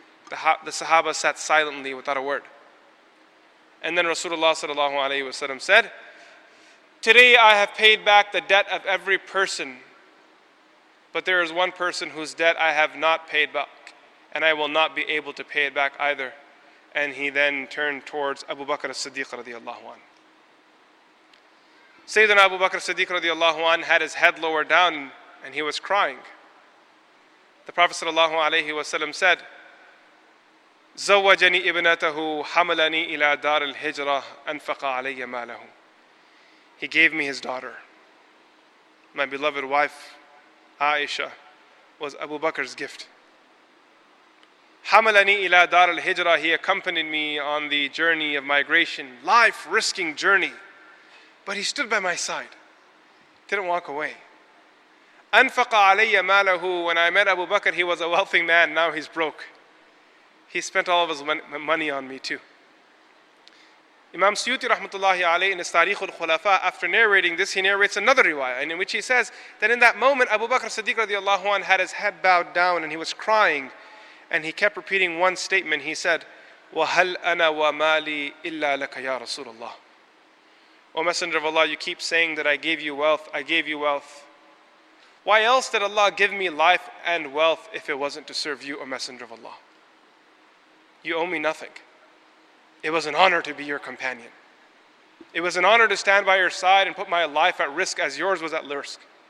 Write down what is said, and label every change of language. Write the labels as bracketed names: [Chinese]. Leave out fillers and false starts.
[English] The Sahaba sat silently without a word. And then Rasulullah sallallahu alayhi wa sallam said, today I have paid back the debt of every person, but there is one person whose debt I have not paid back, and I will not be able to pay it back either. And he then turned towards Abu Bakr as-Siddiq radiallahu anhu. Sayyidina Abu Bakr Siddiq radiallahu anhu had his head lowered down and he was crying. The Prophet sallallahu alayhi wa sallam said, [Arabic] زوجني ابنته حملني إلى دار الهجرة أنفق علي ماله. [English] He gave me his daughter. My beloved wife, Aisha, was Abu Bakr's gift. [Arabic] حملني إلى دار الهجرة. [English] He accompanied me on the journey of migration, life-risking journey. But he stood by my side, didn't walk away. [Arabic] أَنْفَقَ عَلَيَّ مَالَهُ. [English] When I met Abu Bakr, he was a wealthy man, now he's broke. He spent all of his money on me too. Imam Suyuti rahmatullahi alayhi in his Tariq al-Khulafa, after narrating this, he narrates another riwayah in which he says that in that moment, Abu Bakr Siddiq radiallahu anhu had his head bowed down and he was crying and he kept repeating one statement. He said, [Arabic] وَهَلْ أَنَا وَمَالِي إِلَّا لَكَ يَا رَسُولَ اللَّهِ. [English] O Messenger of Allah, you keep saying that I gave you wealth, I gave you wealth. Why else did Allah give me life and wealth if it wasn't to serve you, O Messenger of Allah? You owe me nothing. It was an honor to be your companion. It was an honor to stand by your side and put my life at risk as yours was at risk.